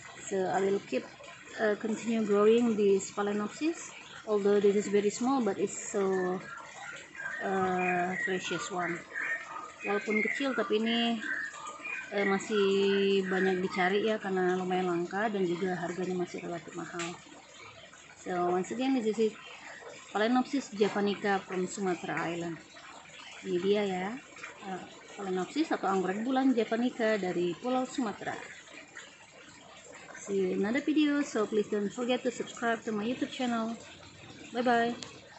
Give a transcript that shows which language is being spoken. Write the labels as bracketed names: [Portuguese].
[English] So I will keep continue growing this Phalaenopsis, although this is very small but it's so precious one. [Indonesian] Walaupun kecil tapi ini masih banyak dicari ya, karena lumayan langka dan juga harganya masih relatif mahal. [English] So once again, this is it. Phalaenopsis javanica from Sumatera Island. [Indonesian] Ini dia ya, Phalaenopsis atau anggrek bulan javanica dari Pulau Sumatera. [English] See you in another video, so please don't forget to subscribe to my YouTube channel. Bye bye.